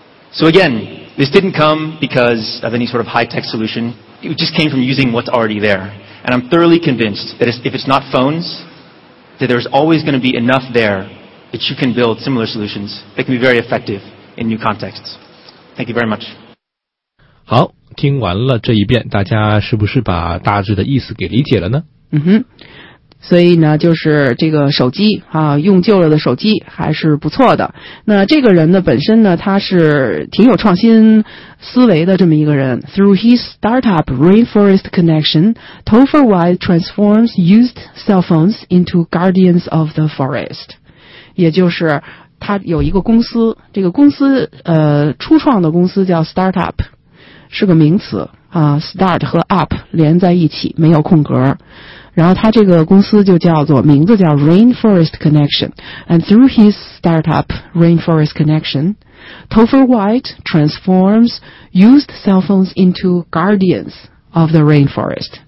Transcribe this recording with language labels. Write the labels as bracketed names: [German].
[English] So again, this didn't come because of any sort of high-tech solution. It just came from using what's already there. And I'm thoroughly convinced that if it's not phones, that there's always going to be enough there that you can build similar solutions that can be very effective in new contexts. Thank you very much. [Chinese] 好，听完了这一遍，大家是不是把大致的意思给理解了呢？嗯哼，所以呢，就是这个手机啊，用旧了的手机还是不错的。那这个人呢，本身呢，他是挺有创新思维的这么一个人。 [English] Through his startup Rainforest Connection, Topher White transforms used cell phones into guardians of the forest. [Chinese] 也就是他有一个公司，这个公司初创的公司叫 startup。是个名词啊 ，start 和 up 连在一起，没有空格。然后他这个公司就叫做名字叫 Rainforest Connection， [English] and through his startup Rainforest Connection， Topher White transforms used cell phones into guardians of the rainforest。